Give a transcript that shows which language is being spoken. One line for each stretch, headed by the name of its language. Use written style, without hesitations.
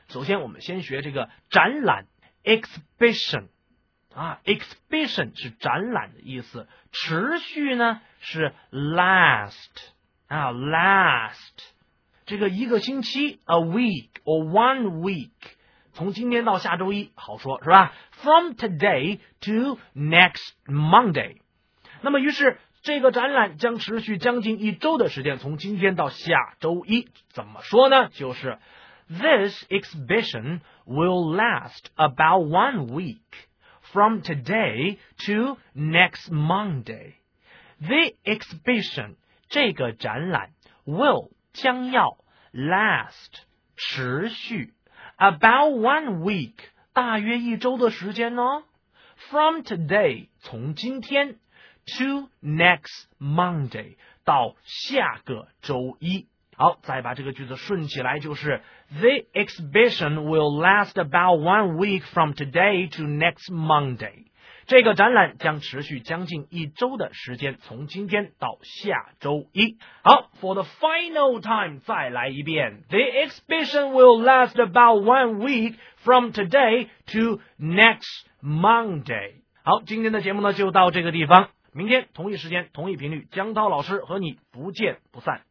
Chinese: 首先，我们先学这个展览 exhibition 啊 ，exhibition 是展览的意思，持续呢是 last 啊 ，last 这个一个星期
English: a week or one week。
Chinese: 从今天到下周一，好说是吧 ？
English: From today to next Monday。
Chinese: 那么，于是这个展览将持续将近一周的时间，从今天到下周一，怎么说呢？就是
English: This exhibition will last about one week from today to next Monday. The exhibition
Chinese: 这个展览
English: will
Chinese: 将要
English: last
Chinese: 持续。
English: About one week,
Chinese: 大约一周的时间哦。
English: From today,
Chinese: 从今天
English: to next Monday,
Chinese: 到下个周一。好，再把这个句子顺起来就是
English: The exhibition will last about one week from today to next Monday.
Chinese: 这个展览将持续将近一周的时间，从今天到下周一。
English: 好。For the final time,
Chinese: 再来一遍。
English: The exhibition will last about one week from today to next Monday.
Chinese: 好，今天的节目呢，就到这个地方。明天同一时间，同一频率，姜涛老师和你不见不散。